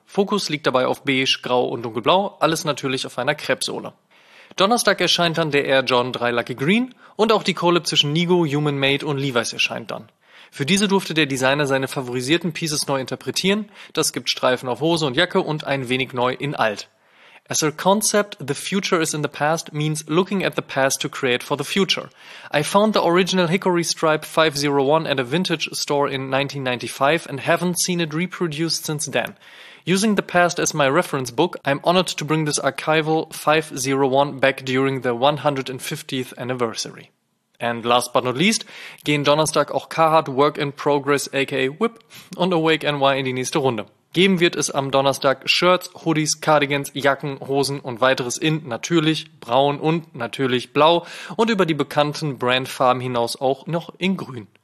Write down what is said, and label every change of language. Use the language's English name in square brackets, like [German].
[German] Fokus liegt dabei auf beige, grau und dunkelblau, alles natürlich auf einer Crepe-Sohle. Donnerstag erscheint dann der Air Jordan 3 Lucky Green und auch die Collab zwischen Nigo, Human Made und Levi's erscheint dann. Für diese durfte der Designer seine favorisierten Pieces neu interpretieren, das gibt Streifen auf Hose und Jacke und ein wenig neu in alt. [English] As a concept, the future is in the past means looking at the past to create for the future. I found the original Hickory Stripe 501 at a vintage store in 1995 and haven't seen it reproduced since then. Using the past as my reference book, I'm honored to bring this archival 501 back during the 150th anniversary. And last but not least, [German] gehen Donnerstag auch Carhartt Work in Progress aka Whip und Awake NY in die nächste Runde. Geben wird es am Donnerstag Shirts, Hoodies, Cardigans, Jacken, Hosen und weiteres in natürlich braun und natürlich blau und über die bekannten Brandfarben hinaus auch noch in grün.